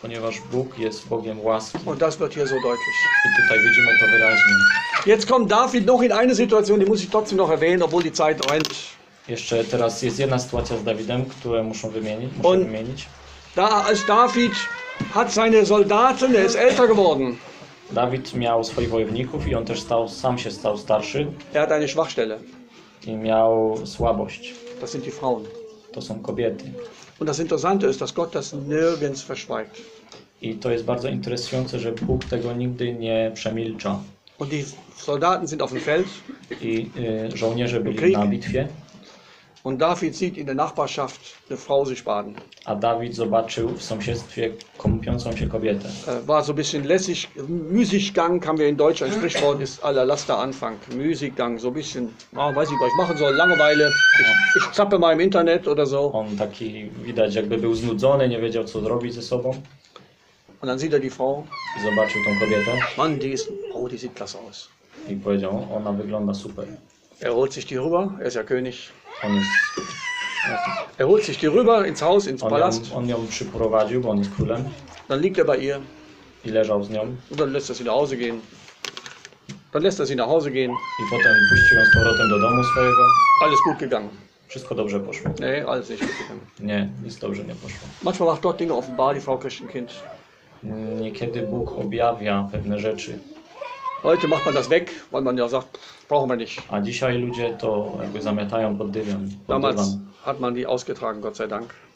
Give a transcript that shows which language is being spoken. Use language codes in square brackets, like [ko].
[pl] Ponieważ Bóg jest Bogiem łaski. [de] Und das wird hier so deutlich. [pl] I tutaj widzimy to wyraźnie. [de] Jetzt kommt David noch in eine Situation, die muss ich trotzdem noch erwähnen, obwohl die Zeit rennt. [pl] Jeszcze teraz jest jedna sytuacja z Dawidem, którą muszę wymienić. [de] Da ist David hat seine Soldaten, er ist älter geworden. [pl] David miał swoich wojowników i on też sam się stał starszy. [de] Er hat eine Schwachstelle. [pl] I miał słabość. [de] Das sind die Frauen. [pl] To są kobiety. [de] Und das Interessante ist, dass Gott das nirgends verschweigt. [pl] I to jest bardzo interesujące, że Bóg tego nigdy nie przemilcza. [de] Und die Soldaten sind auf dem Feld. [pl] I żołnierze byli na bitwie. [de] Und David sieht in der Nachbarschaft eine Frau sich baden. [pl] A David zobaczył w sąsiedztwie kąpiącą się kobietę. [de] War so ein bisschen lässig, Müßiggang, haben wir in Deutsch ein Sprichwort, ist aller Laster Anfang. Müßiggang, so ein bisschen, oh, weiß ich, was ich machen soll, Langeweile. Ich zappe mal im Internet oder so. [pl] On taki widać, jakby był znudzony, nie wiedział, co zrobić ze sobą. [de] Und dann sieht er die Frau. [pl] I zobaczył tą kobietę. [de] Mann, die ist, oh, die sieht klasse aus. [pl] I powiedział, ona wygląda super. [de] Er holt sich die rüber, er ist ja König. Er holt sich die rüber ins Haus, ins Palast. [pl] On ją przyprowadził, bo on jest królem. [de] Dann liegt er bei ihr. [pl] I leżał z nią. [de] Und dann lässt er sie nach Hause gehen. Dann lässt er sie nach Hause gehen. [pl] I potem puścił ją z powrotem do domu swojego. [de] Alles gut gegangen. [pl] Wszystko dobrze poszło. [de] Nee, alles nicht gut gegangen. [pl] Nie, nic dobrze nie poszło. [de] Manchmal macht Gott Dinge offenbar, die Frau Christenkind. [pl] Niekiedy Bóg objawia pewne rzeczy. [de] Heute macht man das weg, weil man ja sagt, brauchen wir nicht. [pl] A dzisiaj ludzie to jakby zamiatają pod dywan. [de] Damals hat man die ausgetragen, Gott sei Dank.